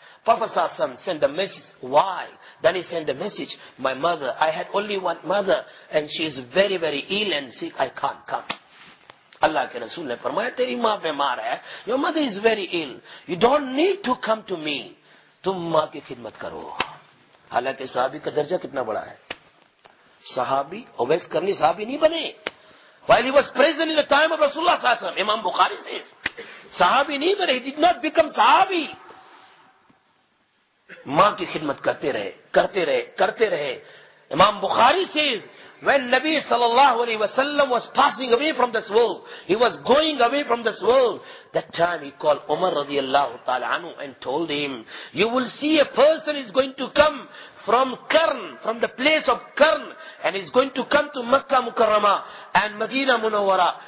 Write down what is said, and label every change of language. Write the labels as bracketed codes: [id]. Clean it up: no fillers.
[en] Prophet Sallallahu Alaihi Wasallam sent a message, why? Then he sent a message, my mother, I had only one mother, and she is very, very ill and sick, I can't come. [ur] اللہ کے رسول نے فرمایا تیری ماں بیمار ہے، [en] your mother is very ill, you don't need to come to me. [ur] تم ماں کی خدمت کرو. حالانکہ صحابی کا درجہ کتنا بڑا ہے، صحابی اویس کرنی صحابی نہیں بنے. [en] While he was present in the time of Rasulullah صلی اللہ علیہ وسلم, [ur] امام بخاری سے صحابی نہیں بنے, [en] he did not become صحابی. [ur] ماں کی خدمت کرتے رہے کرتے رہے کرتے رہے. امام بخاری سے [en] When Nabi sallallahu alayhi wa sallam was passing away from this world, he was going away from this world, that time he called Umar radiallahu ta'ala anhu and told him, you will see a person is going to come from Karn, from the place of Karn, and he's going to come to Makkah Mukarrama and Madina Munawwara.